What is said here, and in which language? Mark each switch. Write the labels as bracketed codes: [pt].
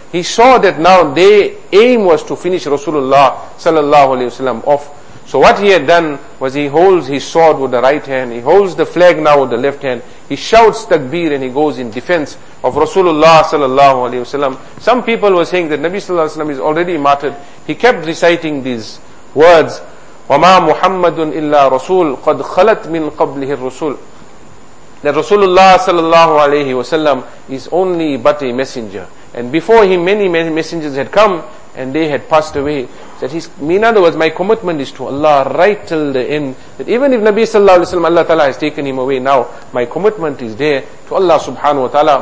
[en] He saw that now their aim was to finish Rasulullah sallallahu alayhi wa sallam off. So what he had done was he holds his sword with the right hand, he holds the flag now with the left hand, he shouts takbir and he goes in defense of Rasulullah sallallahu alayhi wa sallam. Some people were saying that Nabi sallallahu alayhi wa sallam is already martyred. He kept reciting these words, [ar] وَمَا مُحَمَّدٌ إِلَّا رَسُولٌ قَدْ خَلَتْ مِنْ قَبْلِهِ الرَّسُولُ. [en] That Rasulullah sallallahu alayhi wa sallam is only but a messenger. And before him many, many messengers had come and they had passed away. That he's, in other words, my commitment is to Allah right till the end. That even if Nabi sallallahu alayhi wa sallam, Allah ta'ala has taken him away now, my commitment is there to Allah subhanahu wa ta'ala.